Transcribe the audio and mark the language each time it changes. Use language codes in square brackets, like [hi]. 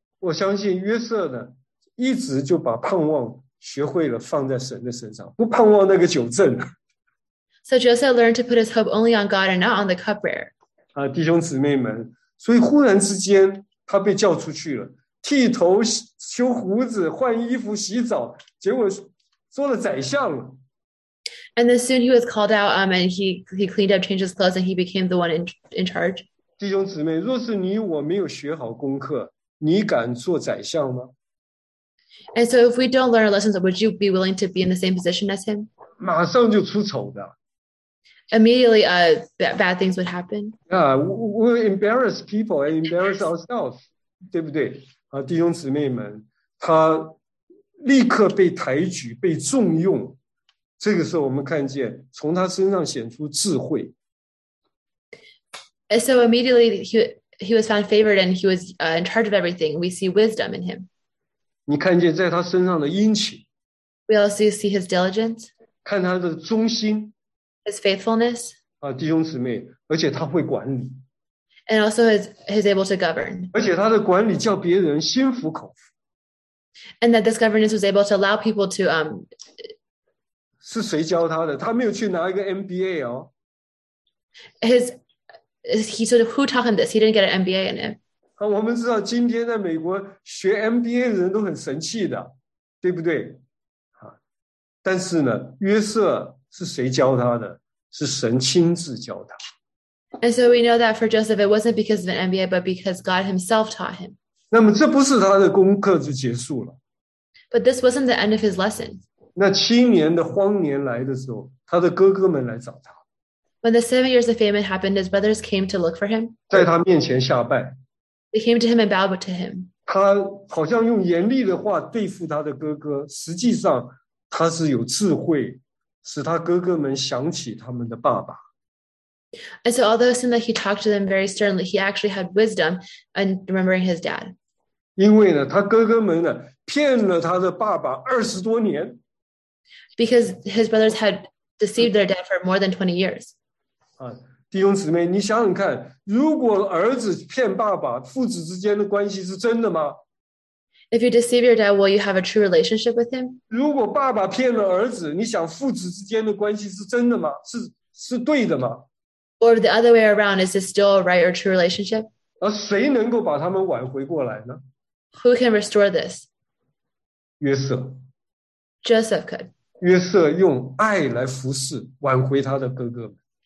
[zh] 我相信约瑟呢。一直就把盼望学会了放在神的身上，不盼望那个酒圣。 [en] So Joseph learned to put his hope only on God and not on the cupbearer. [zh] 弟兄姊妹们，所以忽然之间他被叫出去了，剃头、修胡子、换衣服、洗澡，结果做了宰相了。 [en] And then soon he was called out, and he cleaned up, changed his clothes, and he became the one in charge. [zh] 弟兄姊妹，若是你我没有学好功课，你敢做宰相吗？ [en] And so if we don't learn our lessons, would you be willing to be in the same position as him? [zh] 马上就出丑的。 [en] Immediately, bad things would happen. Yeah, we embarrass people and embarrass ourselves, [zh] 对不对？弟兄姊妹们，他立刻被抬举，被重用。这个时候我们看见，从他身上显出智慧。 [en] And so immediately, he was found favored and he was in charge of everything. We see wisdom in him. [zh] 你看见在他身上的殷勤 [en] ，We also see his diligence， [zh] 看他的忠心 [en] ，his faithfulness， [zh] 弟兄姊妹，而且他会管理 [en] ，and also is able to govern， [zh] 而且他的管理叫别人心服口服 [en] ，and that this governance was able to allow people to [zh] 是谁教他的？他没有去拿一个 MBA 哦 [en] ，he said who taught him this? He didn't get an MBA in it。 [zh] 我们知道今天在美国学 MBA 的人都很神气的，对不对？但是呢，约瑟是谁教他的？是神亲自教他。 [en] And so we know that for Joseph, it wasn't because of an MBA, but because God himself taught him. [zh] 那么这不是他的功课就结束了。 [en] But this wasn't the end of his lesson. [zh] 那七年的荒年来的时候，他的哥哥们来找他。 [en] When the 7 years of famine happened, his brothers came to look for him. [zh] 在他面前下拜。 [en] They came to him and bowed to him. [zh] 他好像用严厉的话对付他的哥哥，实际上他是有智慧，使他哥哥们想起他们的爸爸。 [en] And so although it seemed that he talked to them very sternly, he actually had wisdom in remembering his dad. [zh] 因为呢，他哥哥们呢，骗了他的爸爸20多年。 [en] Because his brothers had deceived their dad for more than 20 years. [zh] 弟兄姊妹，你想想看，如果儿子骗爸爸，父子之间的关系是真的吗？ [en] If you deceive your dad, will you have a true relationship with him? [zh] 如果爸爸骗了儿子，你想父子之间的关系是真的吗？是对的吗？ [en] Or the other way around, is this still a right or true relationship? [zh] 而谁能够把他们挽回过来呢？ [en] Who can restore this? [zh] 约瑟。 [en] Joseph could. [zh] 约瑟用爱来服侍，挽回他的哥哥们。